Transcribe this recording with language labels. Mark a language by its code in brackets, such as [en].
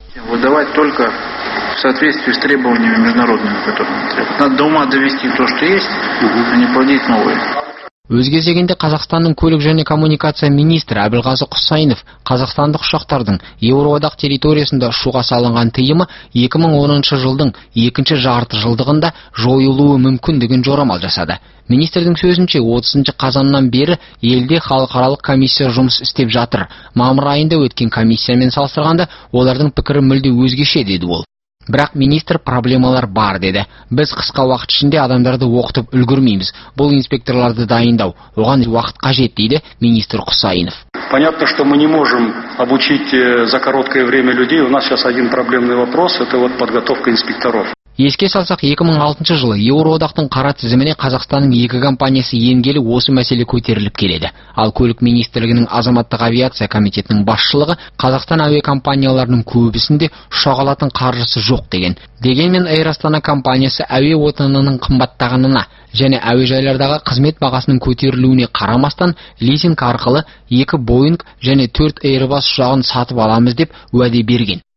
[ru] Выдавать только в соответствии с требованиями международными, которые надо до ума довести то, что есть, а не плодить новые. [kk] Өз кезегінде Қазақстанның көлік және коммуникация министрі Әбілғазы Құсайынов қазақстандық ұшақтардың Еуроодақ территориясында ұшуға салынған тыйымы 2010 жылдың екінші жарты жылдығында жойылуы мүмкіндігін жорамал жасады. Министрдің сөзінше 30 қазаннан бері елде халықаралық комиссия жұмыс істеп жатыр. Мамыр айында өткен комиссиямен салыстырғанда олардың пікірі мүлде өзгеше, деді ол. Бірақ министр проблемалар бар, деді. Біз қысқа уақыт ішінде адамдарды оқытып үлгірмейміз. Бұл инспекторларды дайындау, оған уақыт қажет, дейді министр Құсайынов. [ru] Понятно, что мы не можем обучить за короткое время людей. У нас сейчас один проблемный вопрос, это вот подготовка инспекторов. [kk] Еске салсақ, 2006 жылы Еуроодақтың қара тізіміне Қазақстанның екі компаниясы енгелі осы мәселе көтеріліп келеді. Ал көлік министрлігінің азаматтық авиация комитетінің басшылығы Қазақстан әуе компанияларының көбісінде ұшақ алатын қаржысы жоқ деген. Дегенмен Air Astana компаниясы әуе отынының қымбаттағанына және әуежайлардағы қызмет бағасының көтерілуіне қарамастан лизинг арқылы 2 Boeing және 4 Airbus ұшағын сатып аламыз деп уәде берген.